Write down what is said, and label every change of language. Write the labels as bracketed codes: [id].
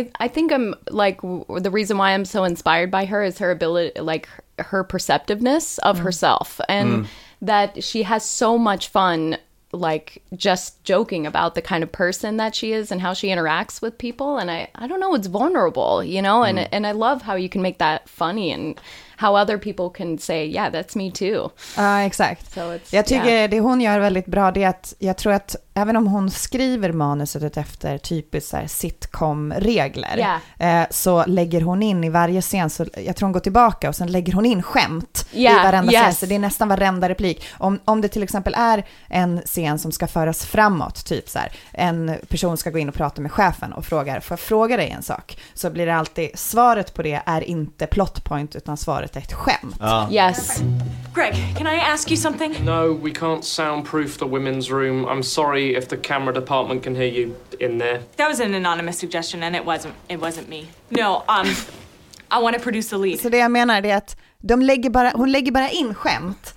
[en] I think I'm like the reason why I'm so inspired by her is her ability, like her perceptiveness of herself, and that she has so much fun, like just joking about the kind of person that she is and how she interacts with people. And I don't know, it's vulnerable, you know. And I love how you can make that funny and how other people can say, yeah, that's me too. [sv] Exakt. [en] So it's, [sv] jag tycker det hon gör väldigt bra, det är att jag tror att även om hon skriver manuset efter typiskt så här sitcom-regler, så lägger hon in i varje scen, så jag tror hon går tillbaka och sen lägger hon in skämt i varenda scen. Så det är nästan varenda replik. Om det till exempel är en scen som ska föras framåt, typ så här, en person ska gå in och prata med chefen och frågar, får jag fråga dig en sak? Så blir det alltid, svaret på det är inte plot point utan svaret varit ett skämt. Ja. [en] Yes. Greg, can I ask you something? No, we can't soundproof the women's room. I'm sorry if the camera department can hear you in there. That was an anonymous suggestion and it wasn't me. No, I want to produce the lead. [sv] Så det jag menar är att hon lägger bara in skämt,